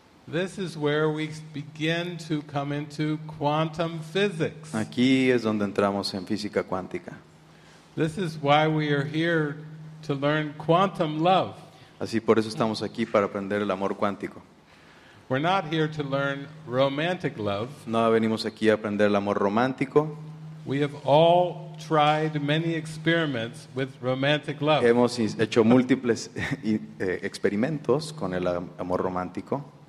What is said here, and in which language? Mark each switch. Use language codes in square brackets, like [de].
[en] This is where we begin to come into quantum physics. [es] Aquí es donde entramos en física cuántica. [en] This is why we are here to learn quantum love. [es] Así por eso estamos aquí para aprender el amor cuántico. [en] We're not here to learn romantic love. [es] No venimos aquí a aprender el amor romántico. [en] We have all tried many experiments with romantic love. [es] Hemos hecho múltiples experimentos con el amor romántico.